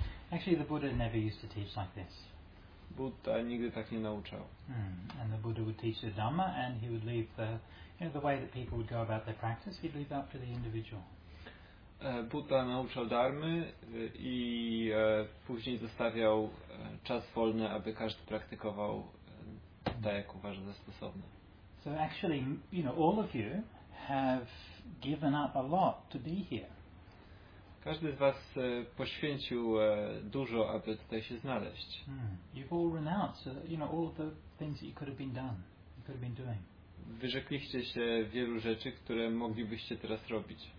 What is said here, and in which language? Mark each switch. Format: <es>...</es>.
<en>Actually, the Buddha never used to teach like this.</en> <pl>Buddha nigdy tak nie nauczał.</pl> <en>And the Buddha would teach the Dhamma, and he would leave the way that people would go about their practice, he'd leave up to the individual.</en> <pl>Buddha nauczał darmy i później zostawiał czas wolny, aby każdy praktykował tak, jak uważa za stosowne.</pl> <en>So actually, all of you have given up a lot to be here.</en> <pl>Każdy z was poświęcił dużo, aby tutaj się znaleźć.</pl> <en>You've all renounced, all of the things that you could have been done, you could have been doing.</en> <pl>Wyrzekliście się wielu rzeczy, które moglibyście teraz robić.</pl>